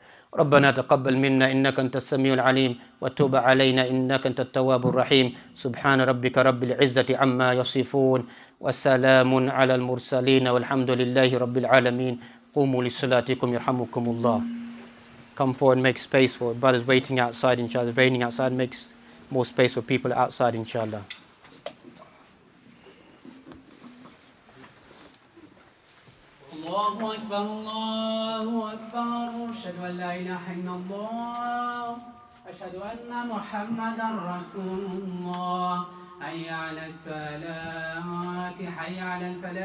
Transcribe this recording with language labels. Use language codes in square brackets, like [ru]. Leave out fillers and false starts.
[ar] ربنا تقبل منا إنك أنت السميع العليم وتوب علينا إنك أنت التواب الرحيم سبحان ربك رب العزة عما يصفون وسلام على المرسلين والحمد لله رب العالمين قوموا لصلاتكم يرحمكم الله. [en] Come forward and make space for brothers waiting outside inshallah. Raining outside makes more space for people outside inshallah. [ar] الله أكبر الله أكبر أشهد أن لا إله إلا الله أشهد أن محمدا رسول الله حي على الصلاة حي على الفلاح